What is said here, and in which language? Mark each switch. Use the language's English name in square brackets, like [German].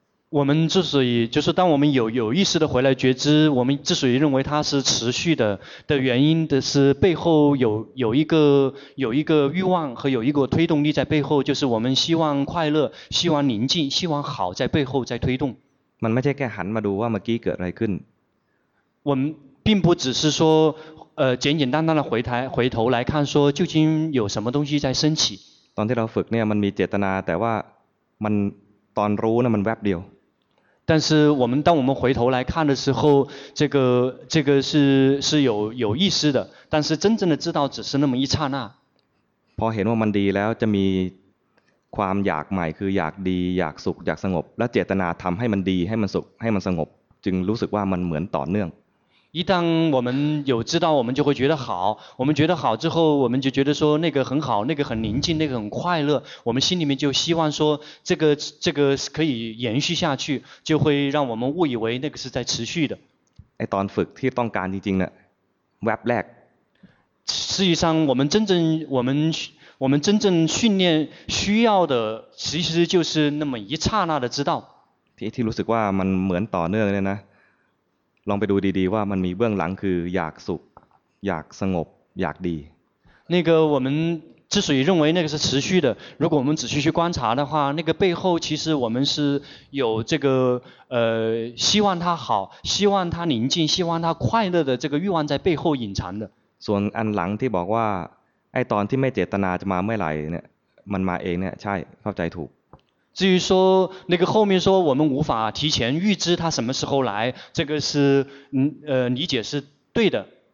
[Chinese] 我们之所以就是当我们有意识的回来觉知我们之所以认为它是持续的原因的是背后有一个欲望和有一个推动力在背后就是我们希望快乐希望宁静希望好在背后在推动 [Thai] มันไม่ใช่แค่หันมาดูว่าเมื่อกี้เกิดอะไรขึ้น [Chinese] 我们并不只是说简简单单的回头来看说究竟有什么东西在升起 [Thai] ตอนที่เราฝึกเนี่ยมันมีเจตนาแต่ว่ามันตอนรู้นะมันแวบเดียว [Chinese] 但是我们当我们回头来看的时候这个是有意识的但是真正的知道只是那么一刹那 [Thai] พอเห็นว่ามันดีแล้วจะมีความอยากใหม่คืออยากดีอยากสุขอยากสงบและเจตนาทำให้มันดีให้มันสุขให้มันสงบจึงรู้สึกว่ามันเหมือนต่อเนื่อง [Chinese] 一旦我们有知道我们就会觉得好我们觉得好之后我们就觉得说那个很好那个很宁静那个很快乐我们心里面就希望说这个可以延续下去就会让我们误以为那个是在持续的 [Thai] ไอ้ตอนฝึกที่ต้องการจริงๆเนี่ยแวบแรก [Chinese] 实际上我们真正训练需要的其实就是那么一刹那的知道 [Thai] ที่รู้สึกว่ามันเหมือนต่อเนื่องเนี่ยนะลองไปดูดีๆว่ามันมีเบื้องหลังคืออยากสุขอยากสงบอยากดี [Chinese] 那个我们之所以认为那个是持续的如果我们仔细去观察的话那个背后其实我们是有这个希望它好希望它宁静希望它快乐的这个欲望在背后隐藏的 [Thai] ส่วนอันหลังที่บอกว่าไอ้ตอนที่ไม่เจตนาจะมาเมื่อไหร่เนี่ยมันมาเองเนี่ยใช่เข้าใจถูก [Chinese] 至于说那个后面说我们无法提前预知他什么时候来这个是理解是对的